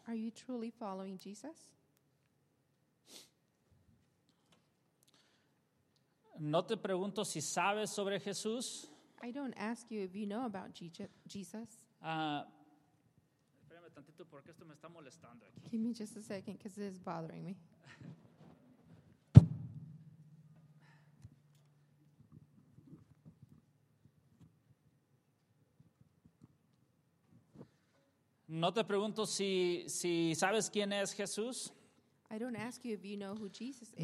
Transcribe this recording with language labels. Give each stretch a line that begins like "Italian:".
English: Are you truly following Jesus?
Spanish: No te pregunto si sabes sobre Jesús.
English: I don't ask you if you know about Jesus.
Spanish: Espérame tantito porque esto me está molestando aquí.
English: Give me just a second because it is bothering me.
Spanish: No te pregunto si sabes quién es Jesús.
English: I don't ask you if you know who Jesus is.